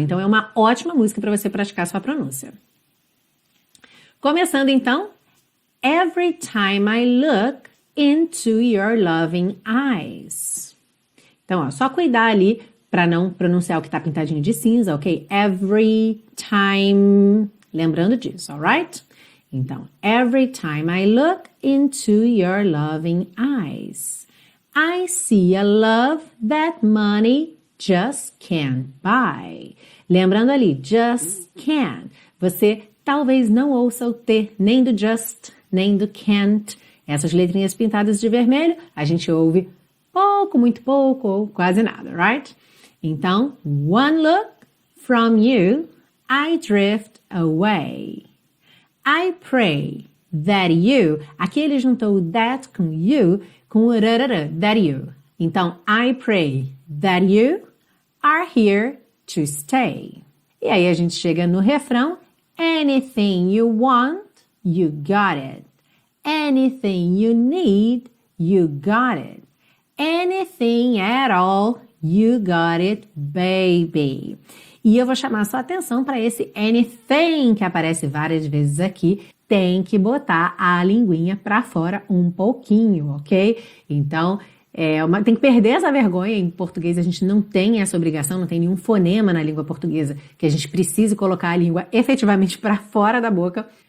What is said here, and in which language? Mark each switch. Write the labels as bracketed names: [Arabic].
[Portuguese] Então é uma ótima música para você praticar sua pronúncia. Começando então, [English] Every time I look into your loving eyes. [Portuguese] Então, ó, só cuidar ali para não pronunciar o que está pintadinho de cinza, ok? [English] Every time, [Portuguese] lembrando disso, [English] alright? [Portuguese] Então, [English] every time I look into your loving eyes, I see a love that money just can't buy. [Portuguese] Lembrando ali, [English] just can't. [Portuguese] Você talvez não ouça o T nem do just, nem do can't. Essas letrinhas pintadas de vermelho, a gente ouve pouco, muito pouco, ou quase nada, right? [English] Então, one look from you, I drift away. I pray that you, [Portuguese] aqui ele juntou o [English] that com you, [Portuguese] com o rarara, [English] that you. Então, I pray that you are here to stay. [Portuguese] E aí a gente chega no refrão, [English] anything you want, you got it. Anything you need, you got it. Anything at all, you got it, baby. [Portuguese] E eu vou chamar a sua atenção para esse anything que aparece várias vezes aqui. Tem que botar a linguinha para fora um pouquinho, ok? Então, tem que perder essa vergonha. Em português a gente não tem essa obrigação, não tem nenhum fonema na língua portuguesa que a gente precise colocar a língua efetivamente para fora da boca.